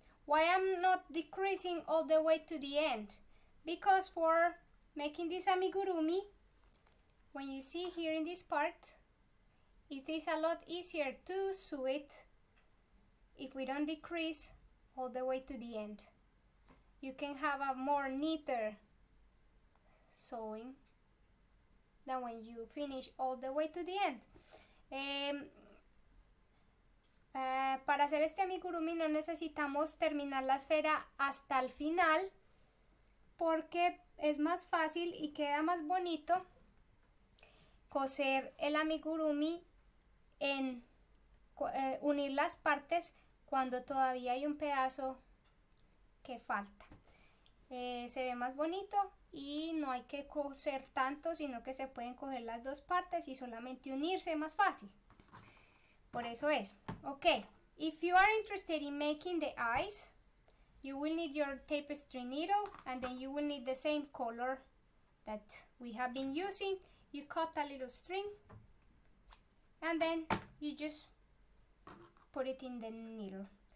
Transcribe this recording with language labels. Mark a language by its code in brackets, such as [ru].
[en] Why I'm not decreasing all the way to the end? Because for making this amigurumi, when you see here in this part, it is a lot easier to sew it if we don't decrease all the way to the end. You can have a more neater sewing than when you finish all the way to the end. [es] Para hacer este amigurumi no necesitamos terminar la esfera hasta el final porque es más fácil y queda más bonito coser el amigurumi en unir las partes cuando todavía hay un pedazo que falta. Se ve más bonito y no hay que coser tanto, sino que se pueden coger las dos partes y solamente unirse más fácil. Por eso es. [en] Okay, if you are interested in making the eyes, you will need your tapestry needle and then you will need the same color that we have been using. You cut a little string and then you just put it in the needle.